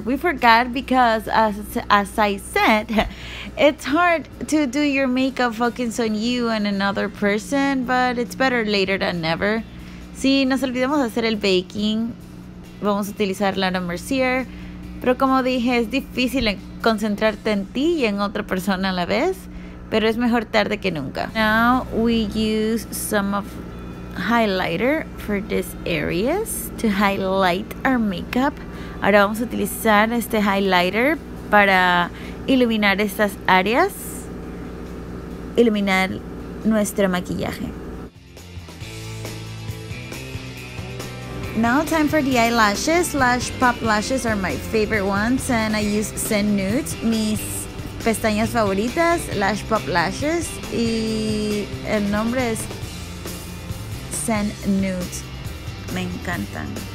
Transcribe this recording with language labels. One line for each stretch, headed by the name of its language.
English: We forgot because, as I said, it's hard to do your makeup focus on you and another person, but it's better later than never.
Spanish: Si nos olvidamos de hacer el baking, vamos a utilizar Laura Mercier. Pero como dije, es difícil concentrarte en ti y en otra persona a la vez, pero es mejor tarde que nunca.
English: Now we use some of highlighter for these areas to highlight our makeup.
Spanish: Ahora vamos a utilizar este highlighter para iluminar estas áreas, iluminar nuestro maquillaje.
English: Now time for the eyelashes. Lash pop lashes are my favorite ones and I use Zen Nudes,
Spanish: mis pestañas favoritas, lash pop lashes, y el nombre es Send Nudes. Me encantan.